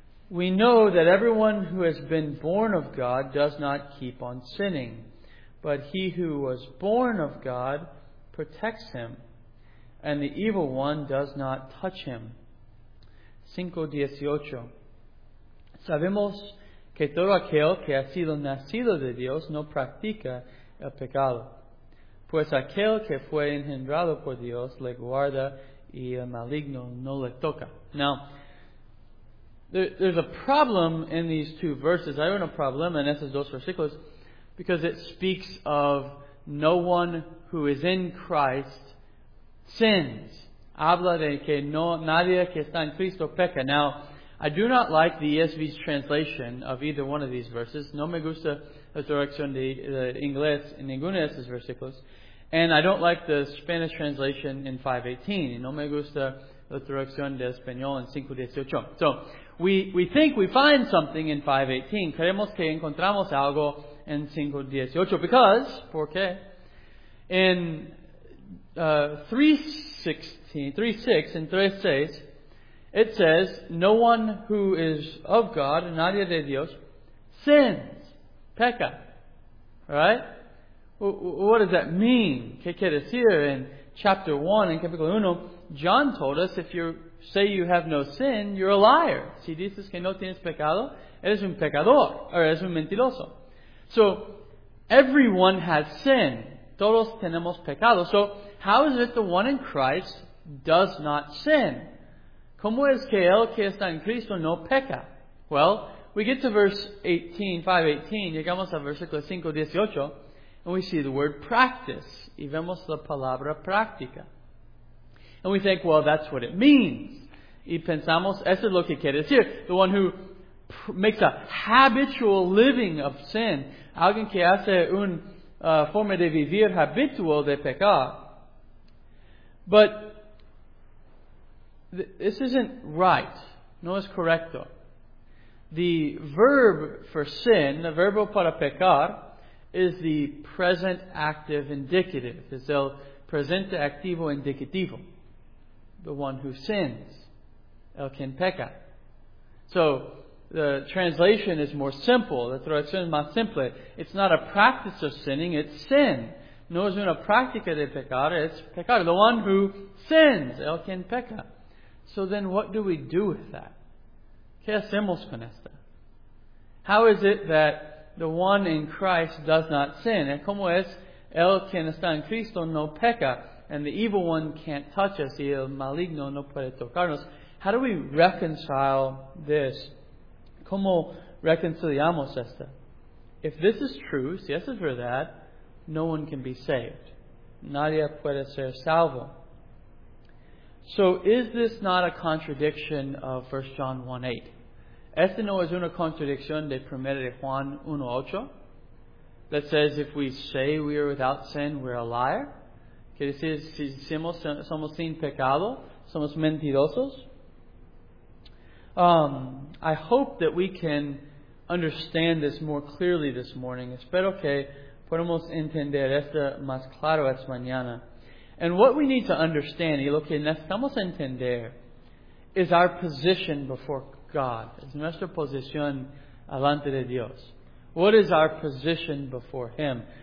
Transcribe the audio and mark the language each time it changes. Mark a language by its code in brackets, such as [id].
[en] We know that everyone who has been born of God does not keep on sinning, but he who was born of God protects him, and the evil one does not touch him. 5:18. [es] Sabemos que todo aquel que ha sido nacido de Dios no practica el pecado, pues aquel que fue engendrado por Dios le guarda y el maligno no le toca. [en] Now, there's a problem in these two verses. I don't have a problem in [es] esos dos versículos [en] because it speaks of no one who is in Christ sins. [es] Habla de que no nadie que está en Cristo peca. [en] Now, I do not like the ESV's translation of either one of these verses. [es] No me gusta la traducción de inglés en ninguno de esos versículos. [en] And I don't like the Spanish translation in 5:18. [es] No me gusta la traducción de español en 5:18. [en] So, we think we find something in 5:18. [es] Creemos que encontramos algo en 5:18. [en] Because, [es] ¿por qué? [en] In 3:6, it says, no one who is of God, [es] nadie de Dios, [en] sins, [es] peca. [en] Right? What does that mean? [es] ¿Qué quiere decir? [en] In chapter 1, in [es] capítulo 1, [en] John told us, if you say you have no sin, you're a liar. [es] Si dices que no tienes pecado, eres un pecador, [en] or [es] eres un mentiroso. [en] So, everyone has sin. [es] Todos tenemos pecado. [en] So, how is it the one in Christ does not sin? [es] ¿Cómo es que el que está en Cristo no peca? [en] Well, we get to verse 5:18, [es] llegamos a versículo 5:18, [en] and we see the word practice, [es] y vemos la palabra práctica. [en] And we think, well, that's what it means. [es] Y pensamos, eso es lo que quiere decir. [en] The one who makes a habitual living of sin. [es] Alguien que hace una forma de vivir habitual de pecar. [en] But this isn't right. [es] No es correcto. [en] The verb for sin, the [es] verbo para pecar, [en] is the present active indicative. [es] Es el presente activo indicativo. [en] The one who sins, [es] el quien peca. [en] So, the translation is more simple. [es] La traducción es más simple. [en] It's not a practice of sinning, it's sin. [es] No es una práctica de pecar, es pecar. [en] The one who sins, [es] el quien peca. [en] So then, what do we do with that? [es] ¿Qué hacemos con esto? [en] How is it that the one in Christ does not sin? [es] ¿Cómo es el quien está en Cristo no peca? [en] And the evil one can't touch us. [es] Y el maligno no puede tocarnos. [en] How do we reconcile this? [es] ¿Cómo reconciliamos esto? [en] If this is true, [es] si es verdad, [en] no one can be saved. [es] Nadie puede ser salvo. [en] So is this not a contradiction of 1 John 1:8? [es] ¿Esta no es una contradicción de 1 Juan 1:8? [en] That says if we say we are without sin, we're a liar. [es] Quiere decir, si decimos somos sin pecado, somos mentirosos. [en] I hope that we can understand this more clearly this morning. [es] Espero que podamos entender esto más claro esta mañana. [en] And what we need to understand, [es] y lo que necesitamos entender, [en] is our position before God. [es] Es nuestra posición delante de Dios. [en] What is our position before Him?